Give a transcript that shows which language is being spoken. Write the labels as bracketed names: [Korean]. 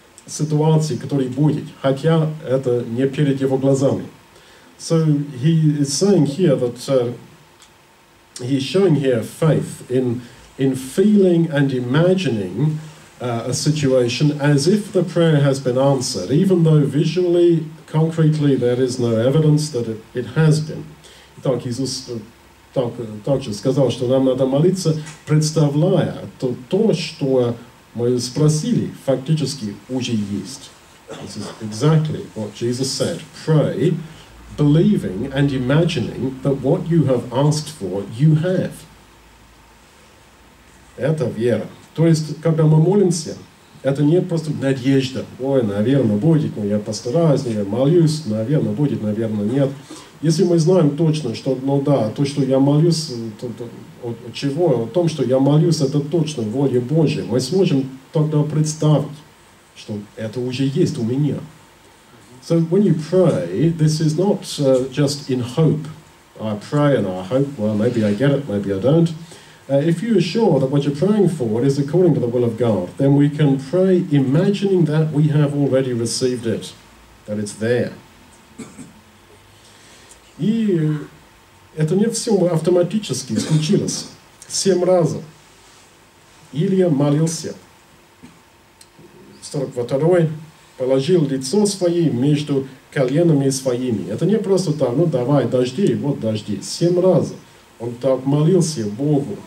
[Russian] ситуации, которая будет, хотя это не перед его глазами. [English] So he is saying here that he's showing here faith in feeling and imagining a situation as if the prayer has been answered, even though visually, concretely, there is no evidence that it has been. [Russian] Итак, Иисус также сказал, что нам надо молиться, представляя то, что мы спросили, фактически уже есть. [English] This is exactly what Jesus said. Pray, believing and imagining that what you have asked for, you have. [Russian] Это вера. То есть, когда мы молимся, это не просто надежда. Ой, наверное, будет, но я постараюсь, но я молюсь, наверное, будет, наверное, нет. Если мы знаем точно, что, ну да, то, что я молюсь, о том, что я молюсь, это точно воля Божия, мы сможем тогда представить, что это уже есть у меня. [English] So when you pray, this is not just in hope. I pray and I hope, well, maybe I get it, maybe I don't. If you are sure that what you're praying for is according to the will of God, then we can pray imagining that we have already received it, that it's there. [Russian] И это не все автоматически случилось. 7 раз Илия молился. 42-й положил лицо свое между коленами своими. Это не просто так, ну давай, дожди, вот дожди. 7 раз он так молился Богу.